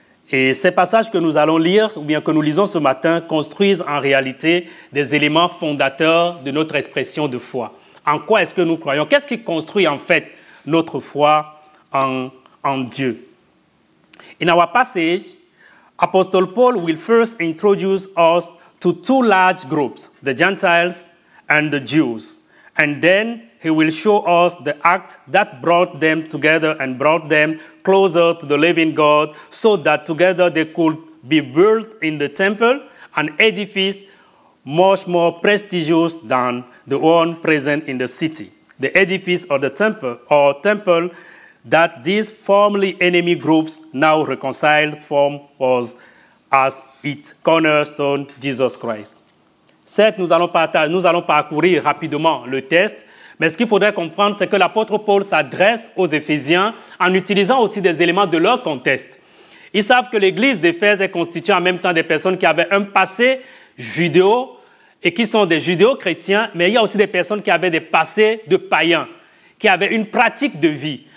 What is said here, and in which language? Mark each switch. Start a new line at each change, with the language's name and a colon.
French: Et ces passages que nous allons lire, ou bien que nous lisons ce matin, construisent en réalité des éléments fondateurs de notre expression de foi. En quoi est-ce que nous croyons? Qu'est-ce qui construit en fait notre foi en Dieu?
English: In our passage, Apostle Paul will first introduce us to 2 large groups, the Gentiles and the Jews. And then he will show us the act that brought them together and brought them closer to the living God so that together they could be built in the temple, an edifice much more prestigious than the one present in the city. The edifice of the temple, or temple that these formerly enemy groups now reconciled form was as its cornerstone, Jesus Christ.
French: Certes, nous allons parcourir rapidement le test, mais ce qu'il faudrait comprendre, c'est que l'apôtre Paul s'adresse aux Éphésiens en utilisant aussi des éléments de leur contexte. Ils savent que l'église d'Éphèse est constituée en même temps des personnes qui avaient un passé judéo et qui sont des judéo-chrétiens, mais il y a aussi des personnes qui avaient des passés de païens, qui avaient une pratique de vie.